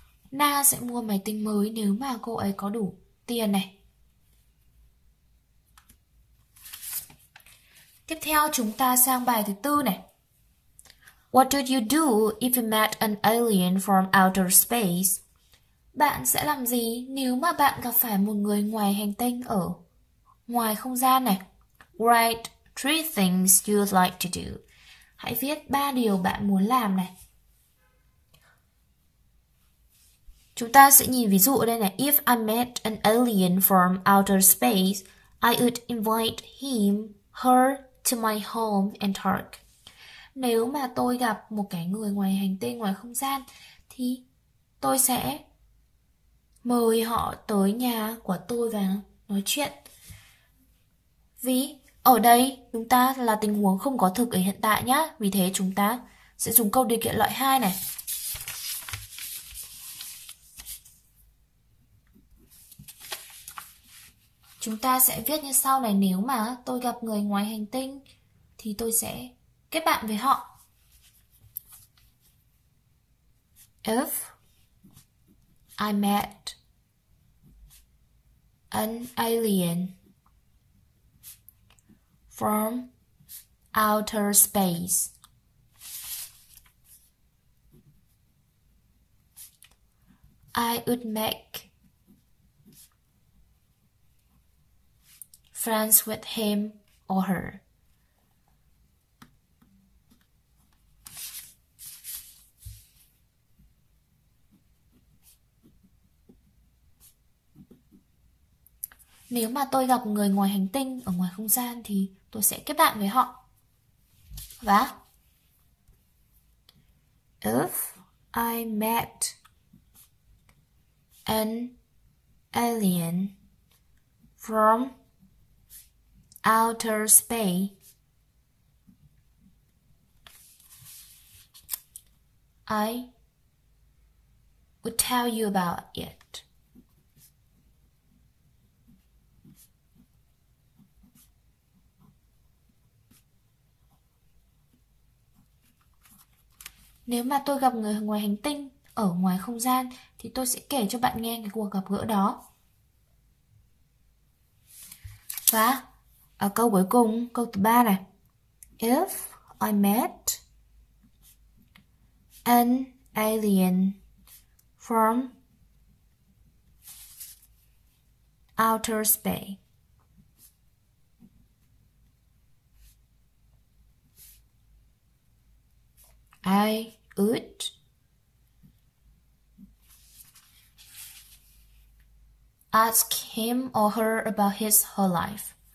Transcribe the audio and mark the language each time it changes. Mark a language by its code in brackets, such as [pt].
[vi] Na sẽ mua máy tính mới nếu mà cô ấy có đủ tiền này. Tiếp theo chúng ta sang bài thứ tư này. [en] What would you do if you met an alien from outer space? [vi] Bạn sẽ làm gì nếu mà bạn gặp phải một người ngoài hành tinh ở ngoài không gian này? [en] Write three things you'd like to do. [vi] Hãy viết ba điều bạn muốn làm này. Chúng ta sẽ nhìn ví dụ ở đây này. [en] If I met an alien from outer space, I would invite him, her to my home and talk. [vi] Nếu mà tôi gặp một cái người ngoài hành tinh, ngoài không gian, thì tôi sẽ mời họ tới nhà của tôi và nói chuyện. Vì ở đây chúng ta là tình huống không có thực ở hiện tại nhá. Vì thế chúng ta sẽ dùng câu điều kiện loại 2 này. Chúng ta sẽ viết như sau này. Nếu mà tôi gặp người ngoài hành tinh thì tôi sẽ kết bạn với họ. [en] If I met an alien from outer space, I would make friends with him or her. [vi] Nếu mà tôi gặp người ngoài hành tinh ở ngoài không gian thì tôi sẽ kết bạn với họ. [en] Và if I met an alien from outer space, I would tell you about it. [vi] Nếu mà tôi gặp người ngoài hành tinh ở ngoài không gian thì tôi sẽ kể cho bạn nghe cái cuộc gặp gỡ đó. Và ở câu cuối cùng, câu thứ ba này. [en] If I met an alien from outer space, I would ask him or her about his whole life.